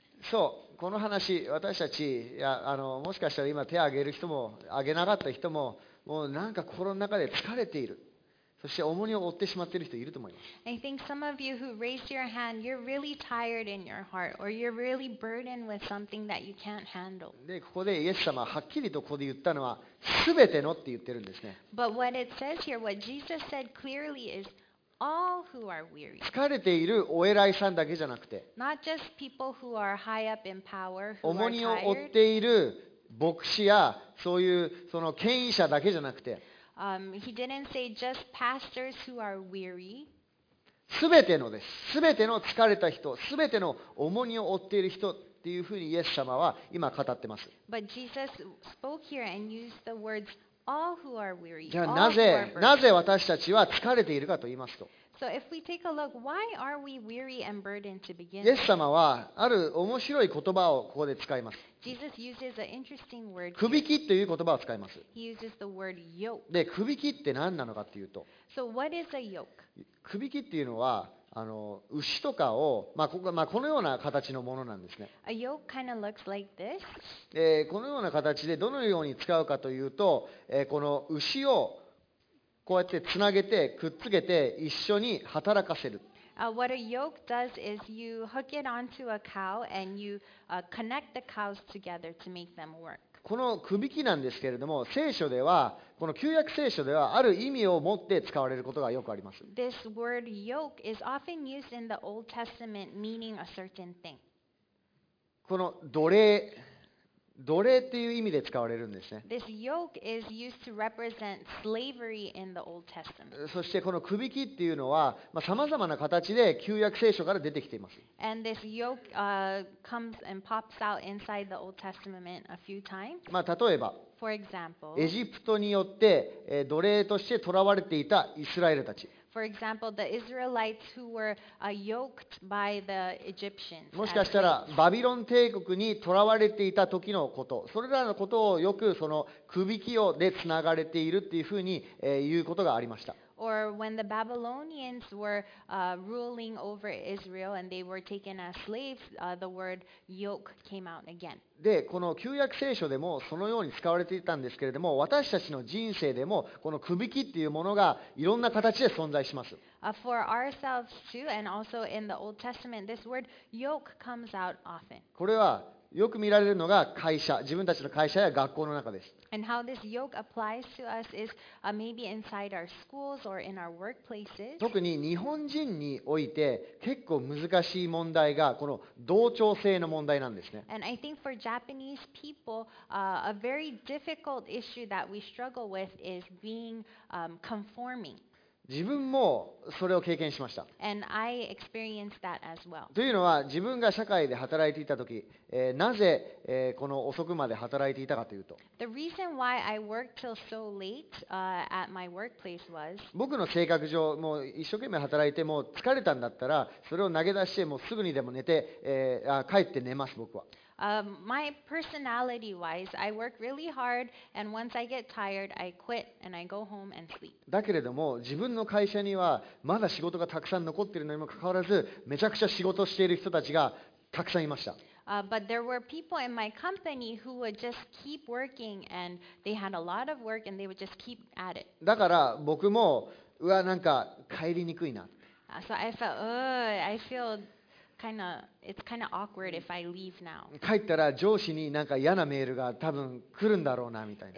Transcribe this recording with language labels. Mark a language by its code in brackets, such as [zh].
[ja] そう、この話、私たち、いや、もしかしたら今手を挙げる人も挙げなかった人も、もうなんか心の中で疲れている。そして重荷を負ってしまっている人いると思います。 [en] I think some of you who raised your hand, you're really tired in your heart, or you're really burdened with something that you can't handle. [ja] で、ここでイエス様ははっきりとここで言ったのは、すべてのって言ってるんですね。 [en] But what it says here, what Jesus said clearly is, all who are weary. [ja] 疲れているお偉いさんだけじゃなくて、 [en] not just people who are high up in power, who are tired. [ja] 重荷を負っている牧師やそういうその権威者だけじゃなくて、 [en] He didn't say just pastors who are weary. [ja] 全てのです。全ての疲れた人、全ての重荷を負っている人っていうふうにイエス様は今語ってます。 [en] But Jesus spoke here and used the words all who are weary. [ja] じゃあなぜ私たちは疲れているかと言いますと。 [en] So if we take a look, why are we weary and burdened to begin? [ja] イエス様はある面白い言葉をここで使います。 [en] Jesus uses an interesting word. [ja] 首輝きという言葉を使います。 [en] He uses the word yoke. [ja] で、首輝きって何なのかというと、 [en] So what is a yoke? [ja] 首輝きっていうのは牛とかを、まあ まあ、このような形のものなんですね。 [en] A yoke kind of looks like this. [ja] このような形でどのように使うかというと、この牛をこうやってつなげてくっつけて一緒に働かせる。 [en] What a yoke does is you hook it onto a cow and you connect the cows together to make them work. [ja] この首輝きなんですけれども、聖書ではこの旧約聖書ではある意味を持って使われることがよくあります。 [en] This word yoke is often used in the Old Testament meaning a certain thing. [ja] この奴隷。奴隷っていう意味で使われるんですね。 [en] This yoke is used to represent slavery in the Old Testament. [ja] そしてこの首輝きっていうのは、まあ、様々な形で旧約聖書から出てきています。 [en] And this yoke comes and pops out inside the Old Testament a few times. [ja] まあ例えば、 [en] For example, [ja] エジプトによって奴隷として囚われていたイスラエルたち。 [en] For example, the Israelites who were yoked by the Egyptians. [ja] もしかしたらバビロン帝国に囚われていた時のこと、それらのことをよくその首輝きでつながれているっていうふうに言うことがありました。 [en] Or when the Babylonians were ruling over Israel and they were taken as slaves, the word yoke came out again. [ja] で、この旧約聖書でもそのように使われていたんですけれども、私たちの人生でもこの首輝きっていうものがいろんな形で存在します。 [en] For ourselves too, and also in the Old Testament, this word yoke comes out often. [ja] これはよく見られるのが会社、自分たちの会社や学校の中です。 [en] And how this yoke applies to us is maybe inside our schools or in our workplaces. [ja] 特に日本人において結構難しい問題がこの同調性の問題なんですね。 [en] And I think for Japanese people, a very difficult issue that we struggle with is being conforming. [ja] 自分もそれを経験しました。 [en] And I experienced that as well. [ja] というのは自分が社会で働いていた時、なぜ、この遅くまで働いていたかというと、 [en] The reason why I worked till so late, at my workplace was, [ja] 僕の性格上もう一生懸命働いても疲れたんだったらそれを投げ出してもうすぐにでも寝て、帰って寝ます僕は。 [en] My personality wise, I work really hard and once I get tired, I quit and I go home and sleep. [ja] だけれども自分の会社にはまだ仕事がたくさん残っているのにもかかわらずめちゃくちゃ仕事をしている人たちがたくさんいました。 [en] But there were people in my company who would just keep working and they had a lot of work and they would just keep at it. [ja] だから僕もうわなんか帰りにくいな。 [en] So I felt, I feel kind of awkward if I leave now. [ja] 帰ったら上司になんか嫌なメールが多分来るんだろうなみたいな。